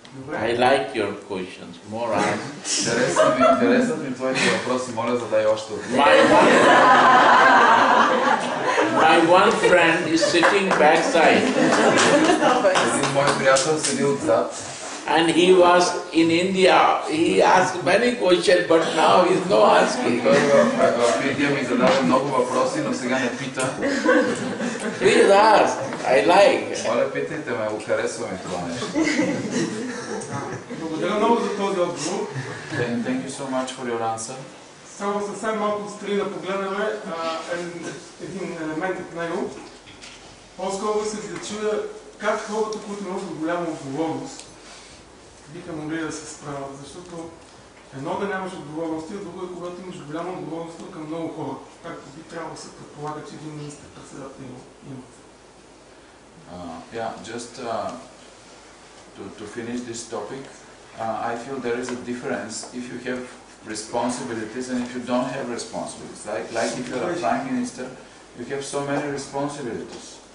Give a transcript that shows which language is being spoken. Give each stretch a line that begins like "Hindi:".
English: I like your questions. More ask.
Bulgarian: Интересен ми твоите въпроси. Моля, задай още.
English: My one friend is sitting backside.
Bulgarian: Един мой приятел седи отзад.
English: And he was in India. He asked many questions, but now he's no asking.
Bulgarian: Индия ми задава много въпроси, но сега не пита.
English: Please ask. I like.
Bulgarian: Моля, питайте ме. Харесва ми това нещо. Благодаря много за този отговор.
English: Thank you so much for your answer.
Bulgarian: Само съвсем малко отстрани да погледнем един елемент от него. По-скоро се зачуда как хората, които носят голяма отговорност, биха могли да се справят. Защото едно да нямаш отговорности, а друго е когато имаш голяма отговорност към много хора. Както би трябвало да се предполага, че един министър-председател има.
English: To finish this topic, I feel there is a difference if you have responsibilities and if you don't have responsibilities. Like if you are a prime minister, you have so many responsibilities.